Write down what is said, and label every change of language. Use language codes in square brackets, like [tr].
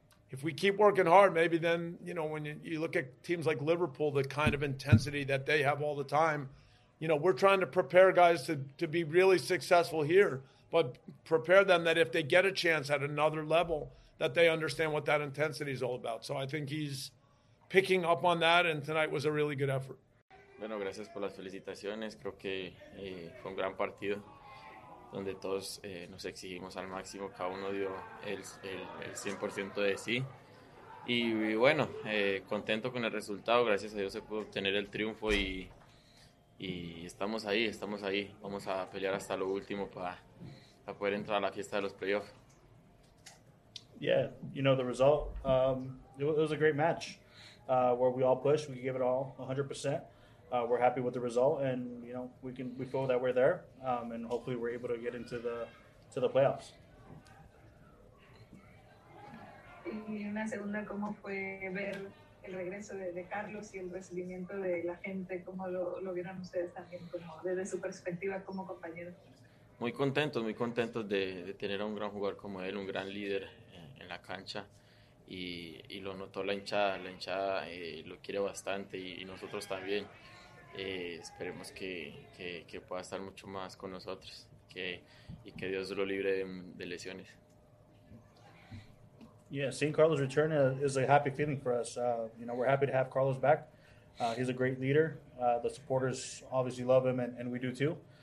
[en] if we keep working hard, maybe then, you know, when you look at teams like Liverpool, the kind of intensity that they have all the time, you know, we're trying to prepare guys to be really successful here, but prepare them that if they get a chance at another level, that they understand what that intensity is all about. So I think he's picking up on that, and tonight was a really good effort. [es] Bueno, gracias por las felicitaciones. Creo que fue un gran partido. donde todos nos exigimos al máximo, cada uno dio el 100% de sí. Y bueno, contento con el resultado, gracias a Dios se pudo obtener el triunfo y estamos ahí, vamos a pelear hasta lo último para poder entrar a la fiesta de los playoffs. [en] Yeah, you know the result. It was a great match where we all pushed, we gave it all 100%. We're happy with the result, and you know we feel that we're there, and hopefully we're able to get into the playoffs. [es] Y una segunda, ¿cómo fue ver el regreso de Carlos y el recibimiento de la gente? ¿Cómo lo vieron ustedes también, como desde su perspectiva como compañero? Muy contentos de tener a un gran jugador como él, un gran líder en la cancha. Y lo notó la hinchada lo quiere bastante y nosotros también. Esperemos que pueda estar mucho más con nosotros y que Dios lo libre de lesiones. [en] Yeah, seeing Carlos return is a happy feeling for us. You know, we're happy to have Carlos back. He's a great leader. The supporters obviously love him and we do too.